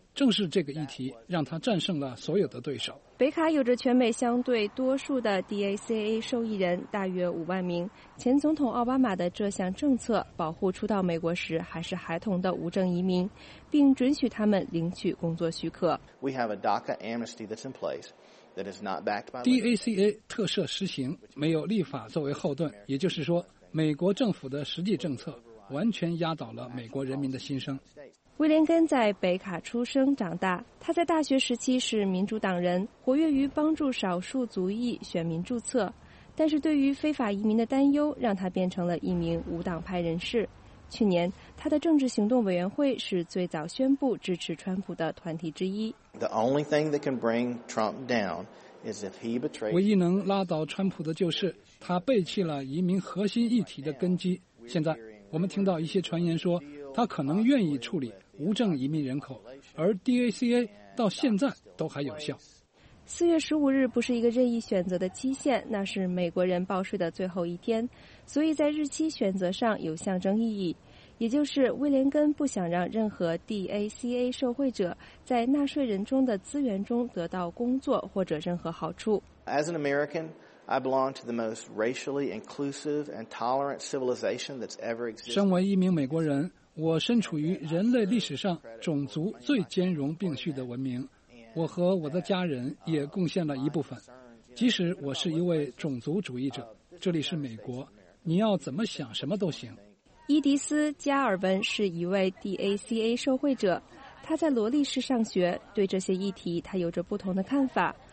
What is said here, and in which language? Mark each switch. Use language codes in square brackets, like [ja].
[zh] 正是这个议题让他战胜了所有的对手。北卡有着全美相对多数的 DACA 受益人，大约50000名。前总统奥巴马的这项政策保护初到美国时还是孩童的无证移民，并准许他们领取工作许可。 [en] We have a DACA amnesty that's in place that is not backed by [zh] DACA 特赦施行，没有立法作为后盾，也就是说，美国政府的实际政策完全压倒了美国人民的心声。威廉根在北卡出生长大，他在大学时期是民主党人，活跃于帮助少数族裔选民注册，但是对于非法移民的担忧让他变成了一名无党派人士。去年他的政治行动委员会是最早宣布支持川普的团体之一。 [en] The only thing that can bring Trump down is if he betrays [zh] 唯一能拉倒川普的就是他背弃了移民核心议题的根基。现在我们听到一些传言说他可能愿意处理无证移民人口，而 DACA 到现在都还有效。四月十五日不是一个任意选择的期限，那是美国人报税的最后一天，所以在日期选择上有象征意义。也就是威廉根不想让任何 DACA 受惠者在纳税人中的资源中得到工作或者任何好处。 [en] As an American, I belong to the most racially inclusive and tolerant civilization that's ever existed. [zh] 身为一名美国人，我身处于人类历史上种族最兼容并蓄的文明。我和我的家人也贡献了一部分。即使我是一位种族主义者，这里是美国，你要怎么想什么都行。伊迪斯·加尔文是一位 DACA 受惠者，他在罗利市上学，对这些议题他有着不同的看法。